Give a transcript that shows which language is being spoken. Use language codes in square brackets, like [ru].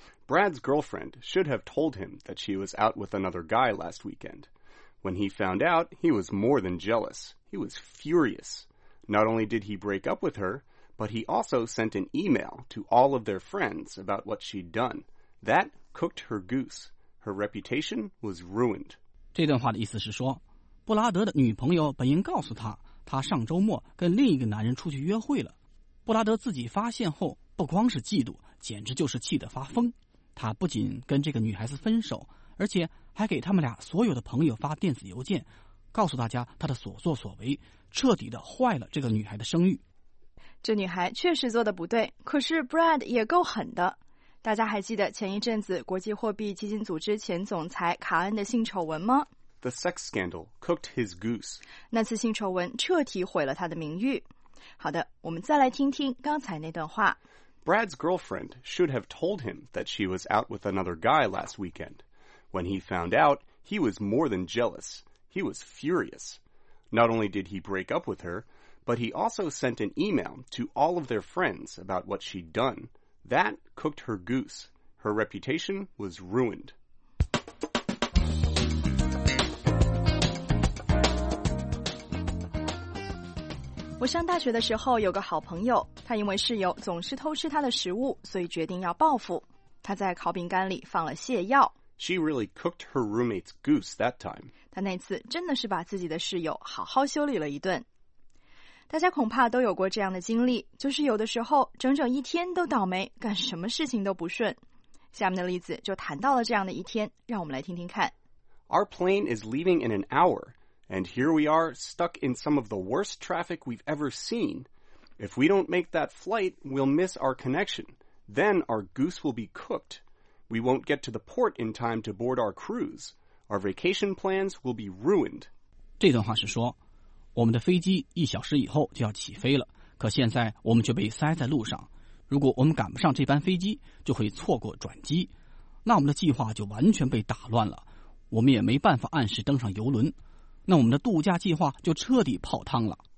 [en] Brad's girlfriend should have told him that she was out with another guy last weekend. When he found out, he was more than jealous. He was furious. Not only did he break up with her,But he also sent an email to all of their friends about what she'd done. That cooked her goose. Her reputation was ruined. [zh] 这段话的意思是说，布拉德的女朋友本应告诉他，他上周末跟另一个男人出去约会了。布拉德自己发现后，不光是嫉妒，简直就是气得发疯。他不仅跟这个女孩子分手，而且还给他们俩所有的朋友发电子邮件，告诉大家他的所作所为，彻底的坏了这个女孩的声誉。这女孩确实做得不对，可是 Brad 也够狠的。大家还记得前一阵子国际货币基金组织前总裁卡恩的性丑闻吗？ [en] The sex scandal cooked his goose. [zh] 那次性丑闻彻底毁了他的名誉。好的，我们再来听听刚才那段话。 [en] Brad's girlfriend should have told him that she was out with another guy last weekend. When he found out, he was more than jealous. He was furious. Not only did he break up with her, but he also sent an email to all of their friends about what she'd done. That cooked her goose. Her reputation was ruined. [zh] 我上大学的时候有个好朋友，他因为室友总是偷吃他的食物，所以决定要报复。他在烤饼干里放了泻药。 [en] She really cooked her roommate's goose that time. [zh] 她那次真的是把自己的室友好好修理了一顿。大家恐怕都有过这样的经历，就是有的时候整整一天都倒霉，干什么事情都不顺。下面的例子就谈到了这样的一天，让我们来听听看。 [en] Our plane is leaving in an hour, and here we are stuck in some of the worst traffic we've ever seen. If we don't make that flight, we'll miss our connection. Then our goose will be cooked. We won't get to the port in time to board our cruise. Our vacation plans will be ruined. [zh] 这段话是说，我们的飞机一小时以后就要起飞了，可现在我们却被塞在路上。如果我们赶不上这班飞机，就会错过转机，那我们的计划就完全被打乱了。我们也没办法按时登上游轮，那我们的度假计划就彻底泡汤了。